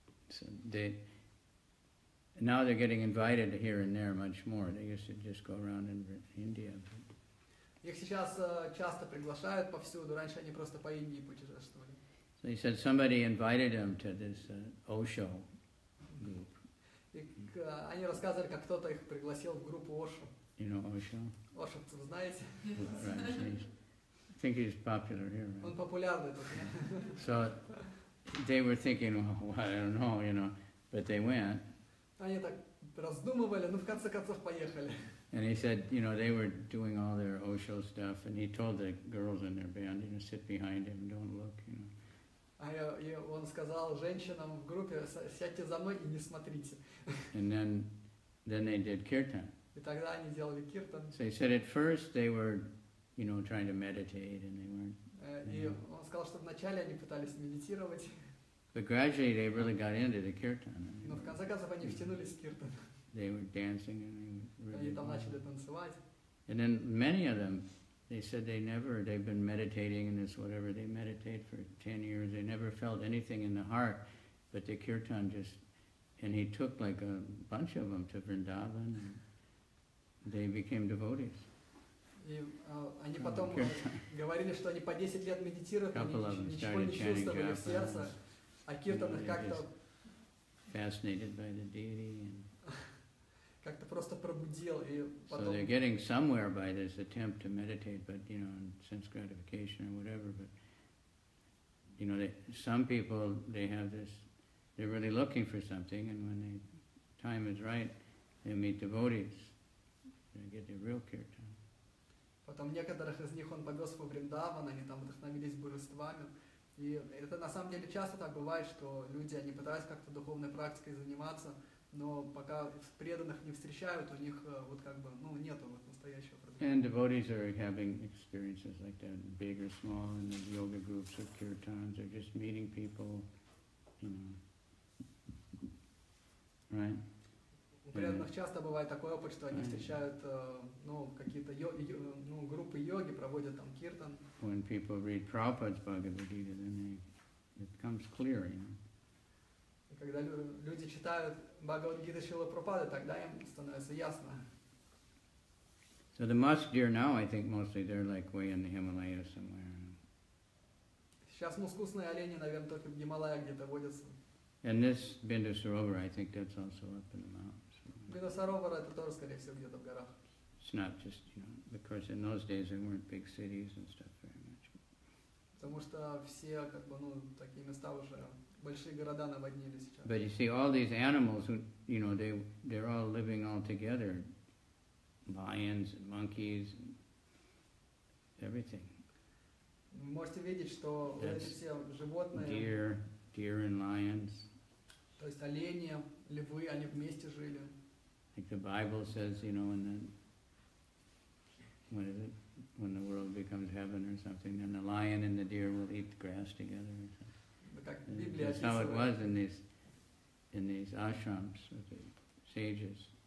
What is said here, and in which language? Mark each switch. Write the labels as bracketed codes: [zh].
[en] So they, now they're getting invited here and there much more. They used to just go around in India. But... [ru] Их сейчас часто приглашают повсюду, раньше они просто по Индии путешествовали. [en] So he said somebody invited him to this Osho group. [ru] Они рассказывали, как кто-то их пригласил в группу Osho. [en] You know Osho? [ru] Osho, вы знаете? [en] Right. I think he's popular here, right? [ru] Он популярный тут. [en] So they were thinking, well, I don't know, you know, but they went. [ru] Они так раздумывали, ну в конце концов поехали. [en] And he said, you know, they were doing all their Osho stuff, and he told the girls in their band, you know, sit behind him, don't look, you know. [ru] И он сказал женщинам в группе, сядьте за мной и не смотрите. [en] And then they did kirtan. [ru] И тогда они делали киртан. [en] So he said at first they were, you know, trying to meditate and they weren't. [ru] И он сказал, что вначале они пытались медитировать. [en] But gradually they really got into the kirtan. [ru] Но в конце концов они втянулись в киртан. [en] They were dancing and they were really. [ru] Они там начали танцевать. [en] And then many of them, they said they've been meditating and this whatever, they meditate for 10 years, they never felt anything in the heart, but the kirtan just, and he took like a bunch of them to Vrindavan. They became devotees. [ru] И они потом говорили, что они по 10 лет медитируют, они ничего не чувствовали в сердце, а киртаны как-то [en] fascinated by the deity. [ru] как-то просто пробудил и потом. [en] So they're getting somewhere by this attempt to meditate, but you know, sense gratification or whatever. But you know, some people they have this, they're really looking for something, and when the time is right, they meet devotees, they get the real kirtan. [ru] Потом некоторых из них он повез во Вриндаван, они там вдохновились божествами. И это на самом деле часто так бывает, что люди, они пытаются как-то духовной практикой заниматься, но пока преданных не встречают, у них вот как бы, ну, нету вот настоящего преданного. [en] And devotees are having experiences like that, big or small, in the yoga groups or kirtans, or just meeting people, you know, right? [ru] У преданных часто бывает такой опыт, что они встречают, ну, какие-то ну, группы йоги, проводят там киртан. [en] When people read Prabhupada's Bhagavad Gita, then it comes clear, you know. [ru] И когда люди читают Бхагавад Гиту Шрилы Прабхупады, тогда им становится ясно. [en] So the musk deer now, I think mostly they're like way in the Himalayas somewhere. [ru] Сейчас мускусные олени, наверное, только в Гималаях где-то водятся. [en] And this Бинда Сарова, I think that's also up in the mountains. [ru] Бинасаровара это тоже, скорее всего, где-то в горах. [en] It's not just, you know, because in those days there weren't big cities and stuff very much. [ru] Потому что все, как бы, ну, такие места уже большие города наводнили сейчас. [en] But you see, all these animals, you know, they're all living all together. Lions and monkeys and everything. [ru] Можете видеть, что эти все животные. [en] Deer and lions. [ru] То есть олени, львы, они вместе жили. [en] Like the Bible says, you know, when the world becomes heaven or something, then the lion and the deer will eat grass together. That's how it was in these ashrams with the sages.